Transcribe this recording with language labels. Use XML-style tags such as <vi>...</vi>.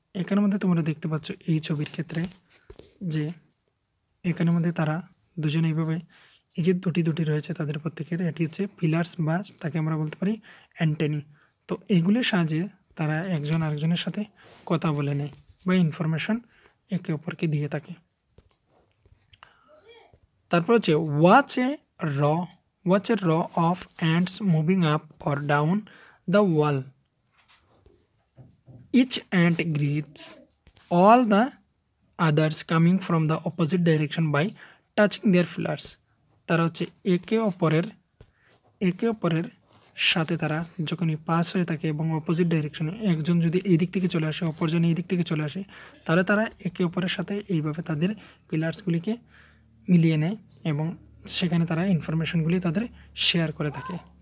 <bn>এখানে মধ্যে তোমরা দেখতে পাচ্ছ এই ছবির ক্ষেত্রে যে এখানে মধ্যে তারা দুজন এইভাবে, এই যে দুটি দুটি রয়েছে তাদের প্রত্যেকের, এটি হচ্ছে পিলার্স বা তাকে আমরা বলতে পারি অ্যান্টেনি। তো এগুলির সাহায্যে তারা একজন আরেকজনের সাথে কথা বলে নেয় বা ইনফরমেশন একে অপরকে দিয়ে থাকে। তারপর হচ্ছে</bn> <en>Watch a র what's a row of ants moving up और down the wall? Each ant greets all the others coming from the opposite direction by touching their feelers.</en> <bn>তারা হচ্ছে একে অপরের সাথে তারা যখনই পাস হয়ে থাকে এবং অপোজিট ডাইরেকশনে একজন যদি এই দিক থেকে চলে আসে অপরজন এই দিক থেকে চলে আসে তাহলে তারা একে অপরের সাথে এইভাবে তাদের পিলার্সগুলিকে মিলিয়ে নেয় এবং সেখানে তারা ইনফরমেশনগুলি তাদের শেয়ার করে থাকে।</bn>